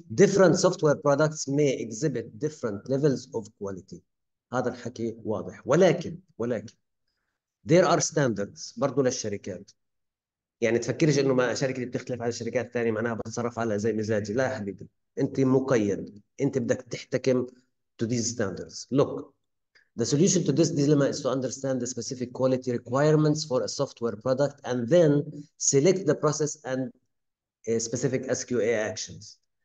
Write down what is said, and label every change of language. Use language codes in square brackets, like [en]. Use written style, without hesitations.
[en] different software products may exhibit different levels of quality. [ar] هذا الحكي واضح، ولكن [en] there are standards [ar] برضو للشركات. يعني تفكرش انه ما شركة بتختلف على شركات ثانية معناها بتصرف على زي مزاجي. لا يا حبيبي، انت مقيد، انت بدك تحتكم [en] to these standards. look, the solution to this dilemma is to understand the specific quality requirements for a software product and then select the process and specific SQA actions.